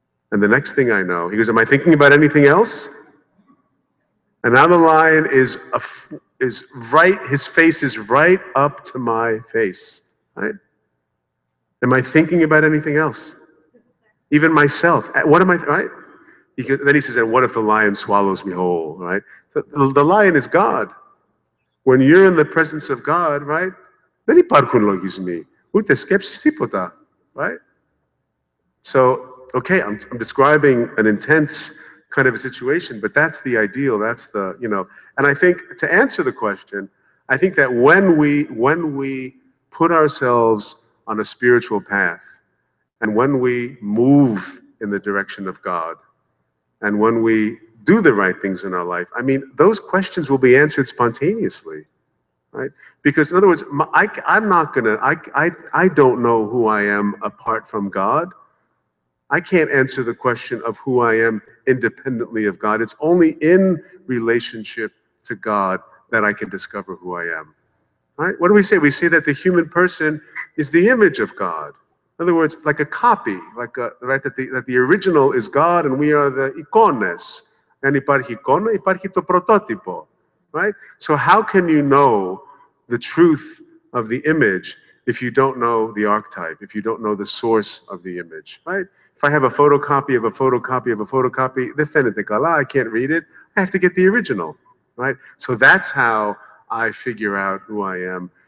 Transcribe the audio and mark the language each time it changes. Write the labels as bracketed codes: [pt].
[en] And the next thing I know, he goes, am I thinking about anything else? And now the lion is right up to my face, right? Am I thinking about anything else? Even myself, what am I, right? Because then he says, and what if the lion swallows me whole, right? The lion is God. When you're in the presence of God, right? [el] Δεν υπάρχουν λογισμοί. Ούτε σκέψεις τίποτα, [en] right? So, okay, I'm describing an intense kind of a situation, but that's the ideal, that's the, you know, and I think, to answer the question, I think that when we put ourselves on a spiritual path, and when we move in the direction of God, and when we do the right things in our life, I mean, those questions will be answered spontaneously, right? Because, in other words, I don't know who I am apart from God. I can't answer the question of who I am independently of God. It's only in relationship to God that I can discover who I am, right? What do we say? We say that the human person is the image of God. In other words, like a copy, like a, right, that the original is God and we are the icones. [el] And υπάρχει εικόνα, υπάρχει το πρωτότυπο, [en] right? So how can you know the truth of the image if you don't know the archetype, if you don't know the source of the image, right? If I have a photocopy of a photocopy of a photocopy, the fenetic Allah, I can't read it. I have to get the original, right? So that's how I figure out who I am.